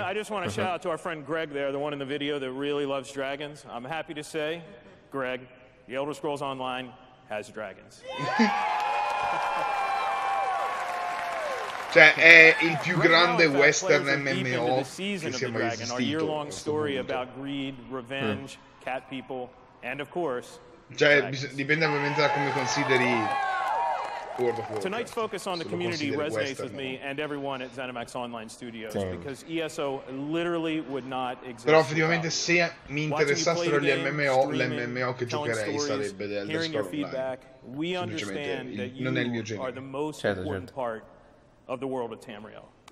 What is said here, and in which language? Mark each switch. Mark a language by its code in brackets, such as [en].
[en] I just want to shout out to our friend Greg there, the one in the video that really loves dragons. I'm happy to say, Greg, The Elder Scrolls Online has dragons. [it] Cioè, è il più grande western MMO che sia mai esistito. [en] Our year-long story about greed, revenge, cat people. And of course, [it] cioè, dipende ovviamente da come consideri World of Warcraft. [en] Tonight's focus on the community resonates with me and everyone at ZeniMax Online Studios. Same. Because ESO literally would not exist. [it] Però effettivamente se mi interessassero gli MMO, l'MMO che giocherei sarebbe The Elder Scrolls Online. [en] We understand that you are the most important part of the world of Tamriel.